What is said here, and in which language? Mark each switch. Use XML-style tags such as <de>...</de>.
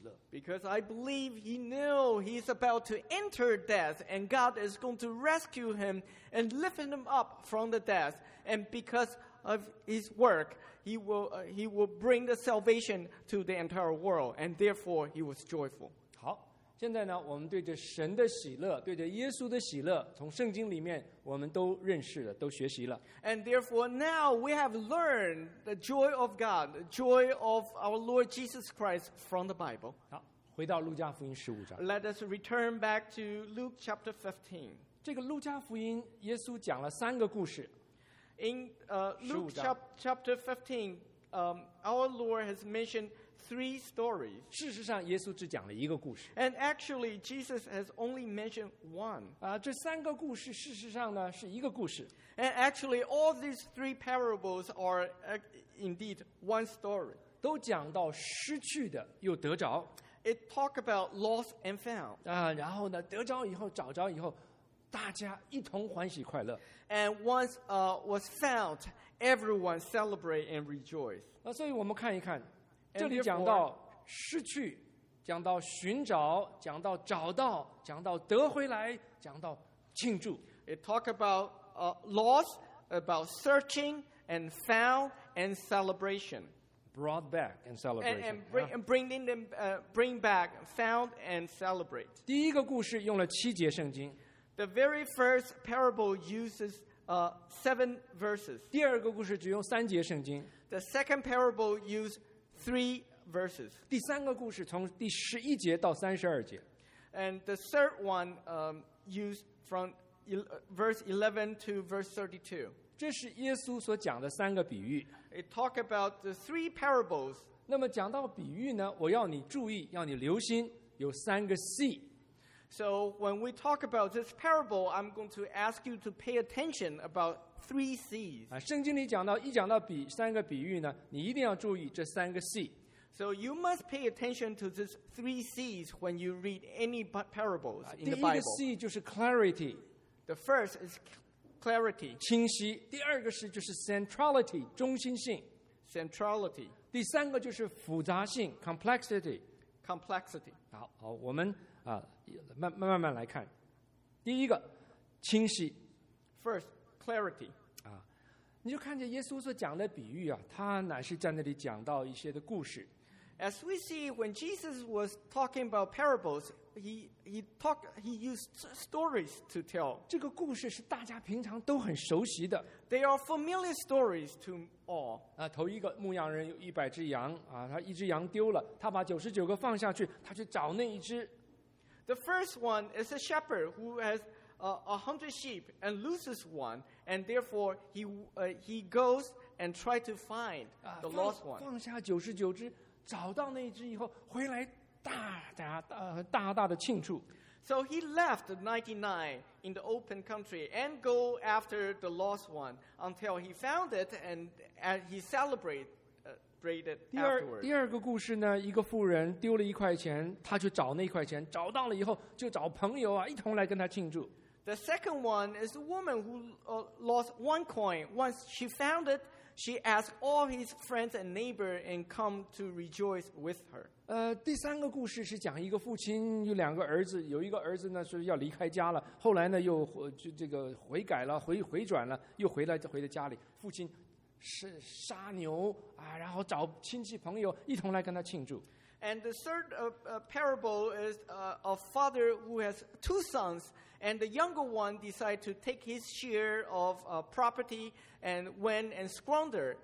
<en>Because I believe he knew he's about to enter death and God is going to rescue him and lift him up from the death. And because of his work, he will bring the salvation to the entire world. And therefore, he was joyful.</en> <zh>好，现在呢，我们对着神的喜乐，对着耶稣的喜乐，从圣经里面我们都认识了，都学习了。</zh> <en>And therefore now we have learned the joy of God, the joy of our Lord Jesus Christ from the Bible.</en> <zh>好，回到路加福音十五章。</zh> <en>Let us return back to Luke chapter 15.</en> <zh>这个路加福音，耶稣讲了三个故事。</zh> <en>In Luke chapter 15, our Lord has mentioned three stories.</en> <zh>事实上，耶稣只讲了一个故事。</zh> <en>And actually, Jesus has only mentioned one.</en> <zh>这三个故事事实上呢是一个故事。</zh> <en>And actually, all these three parables are indeed one story.</en> <zh>都讲到失去的又得着。</zh> <en>It talk about lost and found.</en> <zh>然后呢，得着以后，找着以后。大家一同欢喜快乐。</zh> <en>And once was found, everyone celebrate and rejoice.</en> <zh>所以我们看一看，这里讲到失去，讲到寻找，讲到找到，讲到得回来，讲到庆祝。</zh> <en>It talk about loss, about searching and found and celebration. Brought back and celebration. And bring back, found and celebrate.</en> <zh>第一个故事用了七节圣经。</zh> <en>The very first parable uses seven verses.</en> <zh>第二个故事只用三节圣经。</zh> <en>The second parable uses three verses.</en> <zh>第三个故事从第十一节到三十二节。</zh> <en>And the third one used from verse 11 to verse 32.</en> <zh>这是耶稣所讲的三个比喻。</zh> <en>It talks about the three parables.</en> <zh>那么讲到比喻呢，我要你注意，要你留心，有三个 C。</zh> <en>So when we talk about this parable, I'm going to ask you to pay attention about three C's.</en> <zh>圣经里讲到，一讲到比三个比喻呢，你一定要注意这三个 C.</zh> <en>So you must pay attention to these three C's when you read any parables in the Bible.</en> <zh>第一个 C 就是 clarity.</zh> <en>The first is clarity.</en> <zh>清晰。第二个是就是 centrality, 中心性。</zh> <en>Centrality.</en> <zh>第三个就是复杂性 complexity.</zh> <en>Complexity.</en> <zh>好，我们慢慢来看。第一个，清晰。</zh> <en>First, clarity.</en> <zh>你就看见耶稣所讲的比喻啊，他乃是在那里讲到一些的故事。</zh> <en>As we see, when Jesus was talking about parables, he used stories to tell.</en> <zh>这个故事是大家平常都很熟悉的。</zh> <en>They are familiar stories to all.</en> <zh>头一个牧羊人有一百只羊啊，他一只羊丢了，他把九十九个放下去，他去找那一只。</zh> <en>The first one is a shepherd who has a hundred sheep and loses one, and therefore he goes and try to find the lost one.</en> <zh>放下九十九只。找到那只以后，回来大大的庆祝。</zh> <en>So he left 99 in the open country and go after the lost one until he found it and he celebrated afterwards.</en> <zh>第二个故事呢，一个富人丢了一块钱，他去找那块钱，找到了以后就找朋友啊，一同来跟他庆祝。</zh> <en>The second one is a woman who lost one coin. Once she found it, she asked all his friends and neighbors and come to rejoice with her.</en> <zh>第三个故事是讲一个父亲有两个儿子，有一个儿子呢是要离开家了，后来呢又悔改了，回转了，又回到家里，父亲是杀牛啊，然后找亲戚朋友一同来跟他庆祝。</zh> <en>And the third parable is a father who has two sons, and the younger one decided to take his share of property and went and squandered.</en>